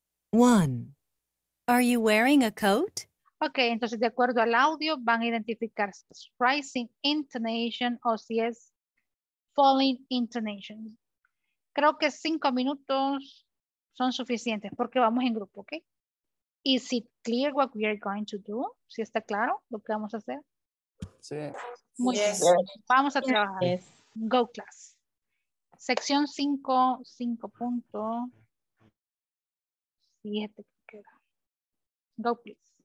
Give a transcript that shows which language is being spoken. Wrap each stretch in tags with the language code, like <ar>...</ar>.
<en>One. Are you wearing a coat?</en> <es>Okay, entonces de acuerdo al audio van a identificar si es rising intonation o si es falling intonation. Creo que 5 minutos son suficientes porque vamos en grupo, ¿ok?</es> <en>Is it clear what we are going to do?</en> <es>¿Sí está claro lo que vamos a hacer? Sí. Muy bien. Yes. Vamos a trabajar. Yes.</es> <en>Go class.</en> <es>Sección 5.7 que queda.</es> <en>Go, please.</en>